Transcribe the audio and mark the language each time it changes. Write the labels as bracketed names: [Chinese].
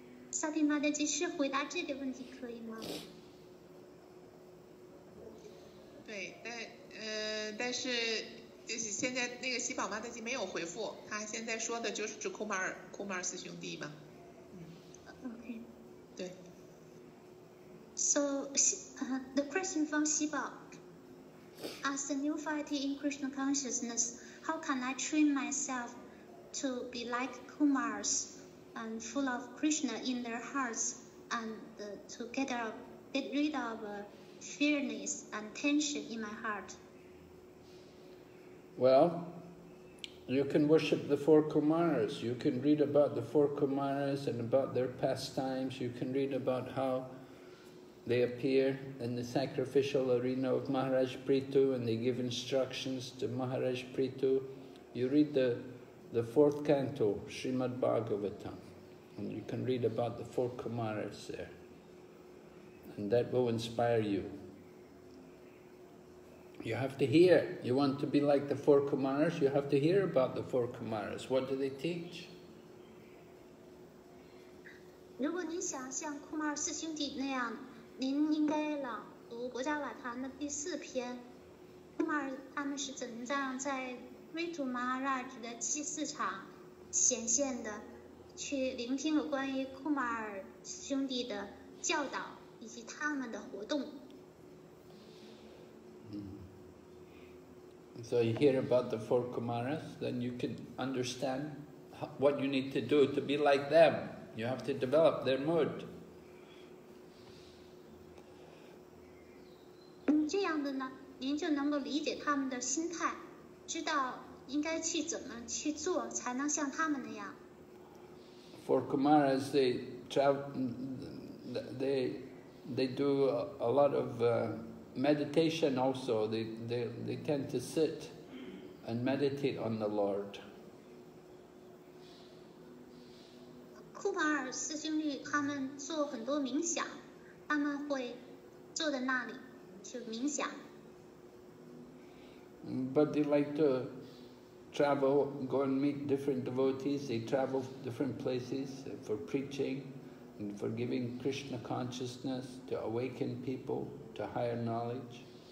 [Chinese] 萨提玛德吉是回答这个问题可以吗？对，但是就是现在那个西宝妈的就没有回复，他现在说的就是指库马尔斯兄弟嘛。嗯，OK，对。 [English] So the question from 西宝 ，As a new fighter in Krishna consciousness, how can I train myself to be like Kumars and full of Krishna in their hearts and to get rid of fearness and tension in my heart? Well, you can worship the four Kumaras. You can read about the four Kumaras and about their pastimes. You can read about how they appear in the sacrificial arena of Maharaj Prithu and they give instructions to Maharaj Prithu. You read the fourth canto, Srimad Bhagavatam, and you can read about the four Kumaras there. And that will inspire you. You have to hear. You want to be like the four Kumaras, you have to hear about the four Kumaras. What do they teach? [Chinese] 如果您想像库马尔四兄弟那样，您应该朗读《国家瓦坛》的第四篇。库马尔他们是怎样在瑞图马哈拉吉的祭祀场显现的？去聆听有关于库马尔四兄弟的教导以及他们的活动。 [English] So you hear about the four Kumaras, then you can understand what you need to do to be like them. You have to develop their mood. [Chinese] 这样的呢，您就能够理解他们的心态，知道应该去怎么去做，才能像他们那样。 [English] Four Kumaras, they do a lot of. Meditation also, they tend to sit and meditate on the Lord. [Chinese] Kumar 四兄弟他们做很多冥想，他们会坐在那里去冥想。 [English] But they like to travel, go and meet different devotees. They travel different places for preaching and for giving Krishna consciousness to awaken people. To higher knowledge.